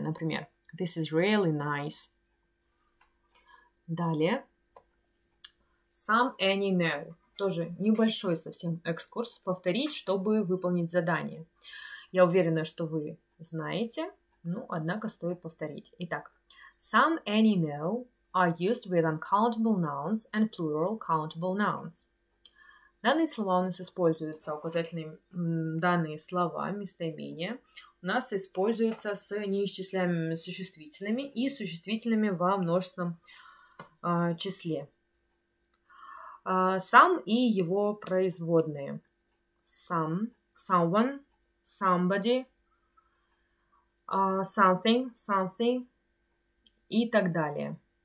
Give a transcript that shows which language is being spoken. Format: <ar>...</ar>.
<ru>Например,</ru> <en>this is really nice.</en> <ru>Далее.</ru> <en>Some, any, no.</en> <ru>Тоже небольшой совсем экскурс. Повторить, чтобы выполнить задание. Я уверена, что вы знаете, но, однако, стоит повторить. Итак.</ru> <en>Some, any, no are used with uncountable nouns and plural countable nouns.</en> <ru>Данные слова у нас используются, указательные данные слова, местоимения, у нас используются с неисчисляемыми существительными и существительными во множественном числе. Сам и его производные.</ru> <en>Some, someone, somebody, something, something</en> <ru>и так далее.</ru>